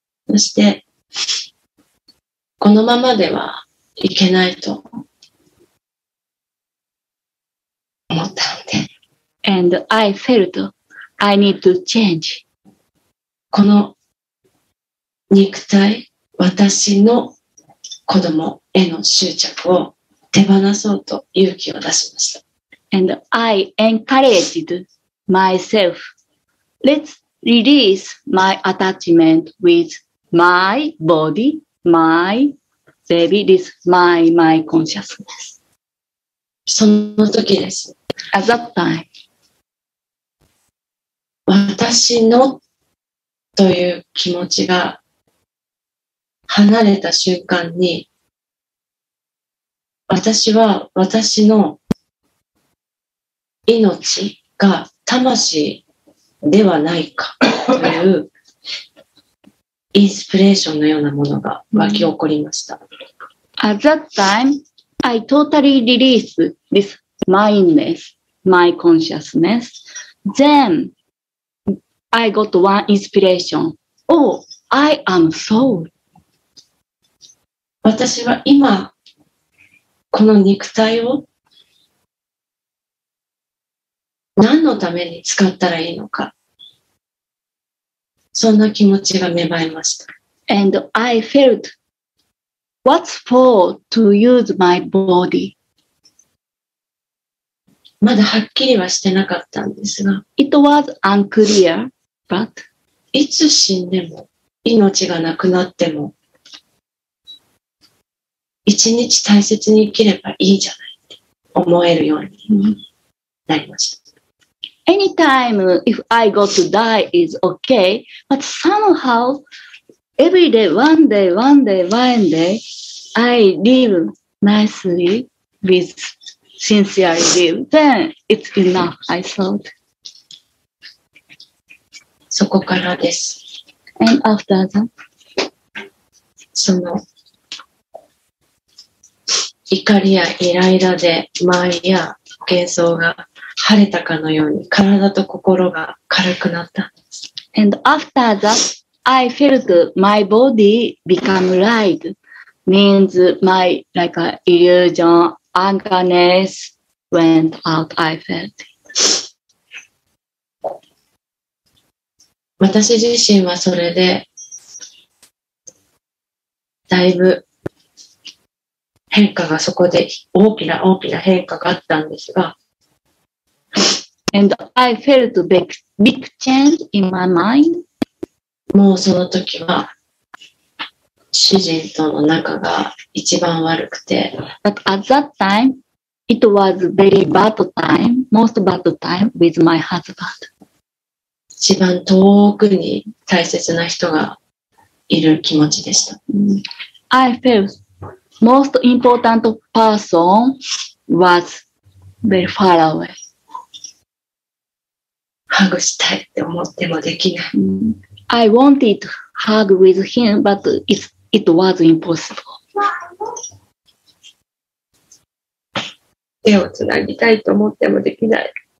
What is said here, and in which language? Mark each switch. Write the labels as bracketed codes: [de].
[ja] そして、このままではいけないと思ったので。 [en] And I feltI need to change. [ja] この肉体、私の子供への執着を手放そうと勇気を出しました。 [en] And I encouraged myself. Let's release my attachment with my body, my baby, this my consciousness. [ja] その時です。 [en] At that time. [ja] 私のという気持ちが離れた瞬間に私は私の命が魂ではないかというインスピレーションのようなものが湧き起こりました。 [en] At that time, I totally released this mindness, my consciousness. Then, I got one inspiration. Oh, I am soul. [ja] 私は今、この肉体を何のために使ったらいいのか。そんな気持ちが芽生えました。 [en] And I felt, what's for to use my body? [ja] まだはっきりはしてなかったんですが、 [en] It was unclear, but [ja] いつ死んでも、命がなくなっても、一日大切に生きればいいじゃないって思えるようになりました。 [en] Anytime if I go to die is okay, but somehow every day, one day, one day, one day, I live nicely with sincere live, then it's enough, I thought. [ja] そこからです。 [en] And after that? [ja] その怒りやイライラで周りや幻想が晴れたかのように体と心が軽くなった。 [en] And after that, I felt my body become light. Means my like illusion, angerness went out, I felt. [ja] 私自身はそれで、だいぶ変化がそこで大きな大きな変化があったんですが、 [en] And I felt a big change in my mind. [ja] もうその時は主人との仲が一番悪くて。 [en] But at that time, it was very bad time, most bad time with my husband. [ja] 一番遠くに大切な人がいる気持ちでした。 [en] I felt most important person was very far away. [ja] ハグしたいって思ってもできない。 [en] I wanted to hug with him, but it was impossible. [ja] 手をつなぎたいと思ってもできない。